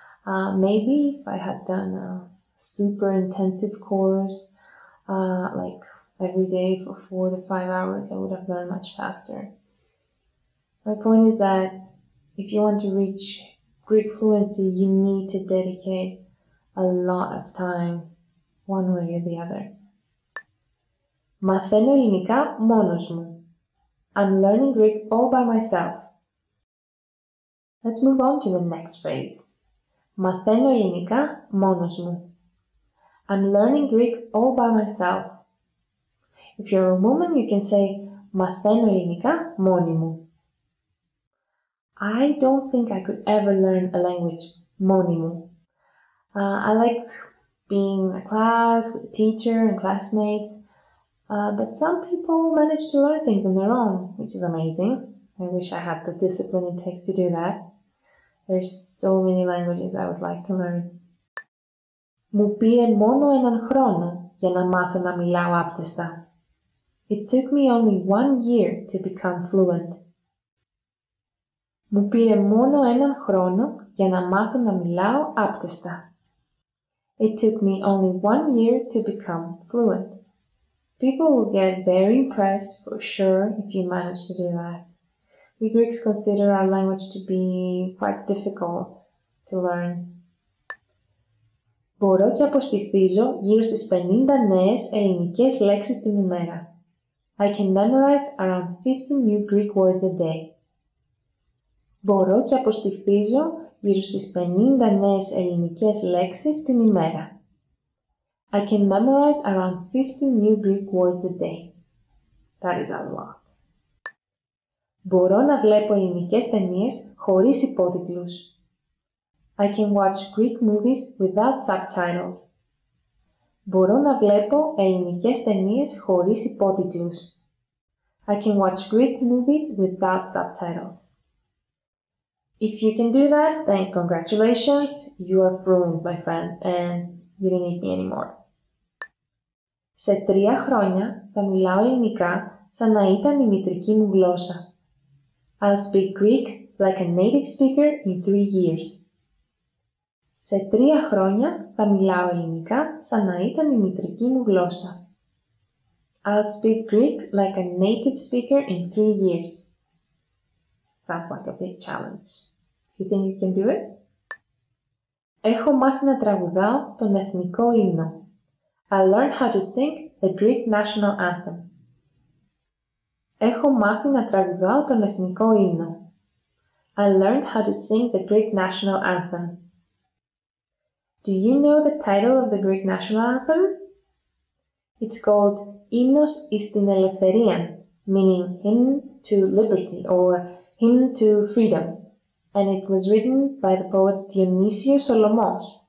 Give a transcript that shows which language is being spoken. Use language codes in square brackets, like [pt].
[en] Maybe if I had done a super intensive course, like every day for 4 to 5 hours, I would have learned much faster. My point is that if you want to reach Greek fluency, you need to dedicate a lot of time one way or the other. [el] Μαθαίνω ελληνικά μόνος μου. [en] I'm learning Greek all by myself. Let's move on to the next phrase. [el] Μαθαίνω ελληνικά μόνος μου. [en] I'm learning Greek all by myself. If you're a woman, you can say [el] Μαθαίνω ελληνικά μόνη μου. [en] I don't think I could ever learn a language [el] μόνη μου. [en] I like being in a class with a teacher and classmates. But some people manage to learn things on their own, which is amazing. I wish I had the discipline it takes to do that. There's so many languages I would like to learn. [el] Μου πήρε μόνο έναν χρόνο για να μάθω να μιλάω άπτεστα. [en] It took me only 1 year to become fluent. [el] Μου πήρε μόνο έναν χρόνο για να μάθω να μιλάω άπτεστα. [en] It took me only 1 year to become fluent. People will get very impressed for sure if you manage to do that. We Greeks consider our language to be quite difficult to learn. [el] Μπορώ και αποστηθίζω γύρω στις 50 νέες ελληνικές λέξεις την ημέρα. [en] I can memorize around 50 new Greek words a day. [el] Μπορώ και αποστηθίζω γύρω στις 50 νέες ελληνικές λέξεις την ημέρα. [en] I can memorize around 50 new Greek words a day. That is a lot. [el] Μπορώ να βλέπω ελληνικές ταινίες χωρίς υπότιτλους. [en] I can watch Greek movies without subtitles. [el] Μπορώ να βλέπω ελληνικές ταινίες χωρίς υπότιτλους. [en] I can watch Greek movies without subtitles. If you can do that, then congratulations, you are fluent, my friend, and you don't need me anymore. [el] Σε 3 χρόνια θα μιλάω ελληνικά σαν να ήταν η μητρική μου γλώσσα. [en] I'll speak Greek like a native speaker in 3 years. [el] Σε 3 χρόνια θα μιλάω ελληνικά σαν να ήταν η μητρική μου γλώσσα. [en] I'll speak Greek like a native speaker in 3 years. Sounds like a big challenge. You think you can do it? [el] Έχω μάθει να τραγουδάω τον εθνικό ύμνο. [en] I learned how to sing the Greek national anthem. [el] Έχω μάθει να τραγουδάω τον εθνικό ύμνο. [en] I learned how to sing the Greek national anthem. Do you know the title of the Greek national anthem? It's called [el] Ύμνος εις την ελευθερία, [en] meaning hymn to liberty or hymn to freedom. And it was written by the poet Dionysios Solomos.